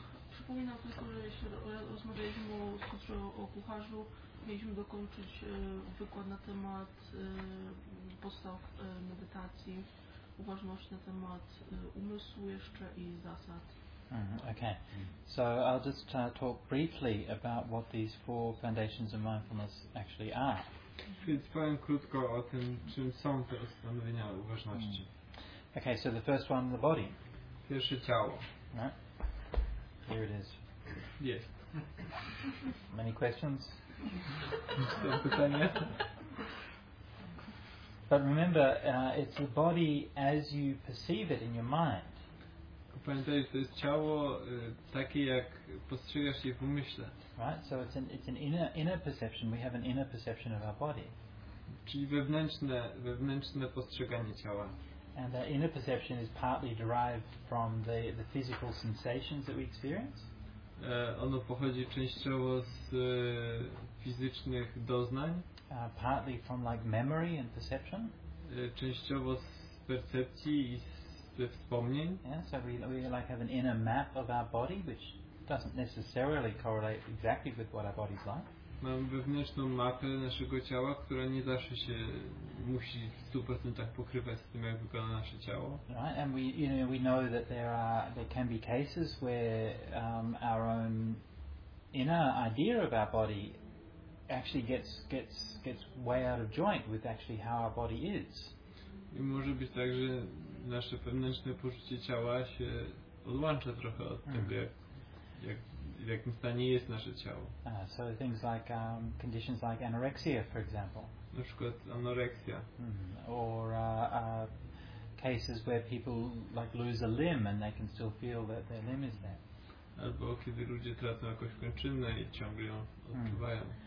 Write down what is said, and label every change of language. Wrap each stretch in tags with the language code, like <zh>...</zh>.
<pl>Przypominam tylko, że rozmawialiśmy o sutrze o kucharzu. Mieliśmy dokończyć wykład na temat podstaw medytacji, uważności na temat umysłu jeszcze i zasad.</pl> <en>Okay. So I'll just talk briefly about what these four foundations of mindfulness actually are.</en> <pl>Więc powiem krótko o tym, czym są te ustanowienia uważności.</pl> <en>Okay, so the first one, the body.</en> <pl>Pierwsze ciało.</pl> <en>Right. Here it is. Yes. Many questions?</en> <pl>Pytania?</pl> <en>But remember, it's the body as you perceive it in your mind.</en> <pl>Pamiętaj, to jest ciało takie, jak postrzegasz je w umyśle.</pl> <en>Right, so it's an inner perception. We have an inner perception of our body.</en> <pl>Czyli wewnętrzne postrzeganie ciała.</pl> <en>And that inner perception is partly derived from the physical sensations that we experience.</en> <pl>Ono pochodzi częściowo z fizycznych doznań.</pl> <en>Partly from like memory and perception.</en> <pl>Częściowo z percepcji i ze wspomnień.</pl> <en>Yeah, so we like have an inner map of our body, which doesn't necessarily correlate exactly with what our body's like.</en> <pl>Mamy wewnętrzną mapę naszego ciała, która nie zawsze się musi w 100% pokrywać z tym, jak wygląda nasze ciało.</pl> <en>Right, and we know that there can be cases where our own inner idea of our body actually gets way out of joint with actually how our body is.</en> <pl>I może być tak, że nasze wewnętrzne poczucie ciała się odłącza trochę od tego, jak w jakim stanie jest nasze ciało.</pl> <en>So things like conditions like anorexia, for example.</en> <pl>Na przykład anoreksja.</pl> <en>Or cases where people like lose a limb and they can still feel that their limb is there.</en> <pl>Albo kiedy ludzie tracą jakąś kończynę i ciągle ją odczuwają.</pl>